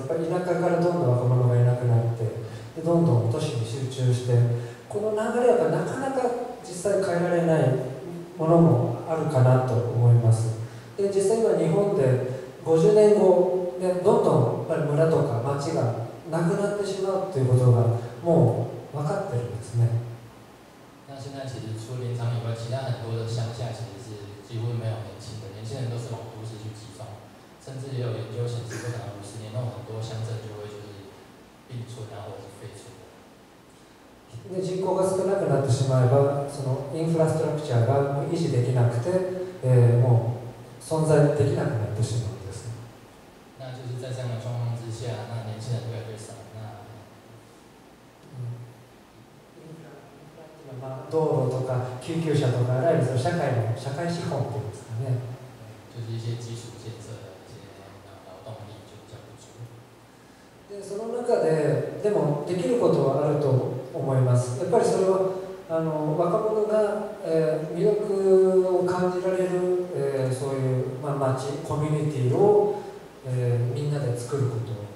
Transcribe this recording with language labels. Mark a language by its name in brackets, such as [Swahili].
[Japanese] やっぱり田舎からどんどん若者がいなくなって、でどんどん都市に集中して、この流れはなかなか実際変えられないものもあるかなと思います。で実際今日本で50年後でどんどんやっぱり村とか町がなくなってしまうということがもう [Chinese] 现在其实除了镰仓以外，其他很多的乡下其实是几乎没有年轻的，年轻人都是往都市去集中，甚至也有研究显示，不到50年，那很多乡镇就会就是并村啊，或者是废村。 [Japanese] で人口が少なくなってしまえば、そのインフラストラクチャーが維持できなくて、もう存在できなくなってしまうんですね。 [Chinese] 那就是在这样的状况之下，那年轻人越来越少。那 [Japanese] まあ道路とか救急車とかあらゆる社会の社会資本っていうんですかね。 [Chinese] 就是一些基础建设的一些劳动力就比较不足。 [Japanese] でその中ででもできることはあると。思います。やっぱりそれはあの若者が、魅力を感じられる、そういう、まあ、町、コミュニティを、みんなで作ること。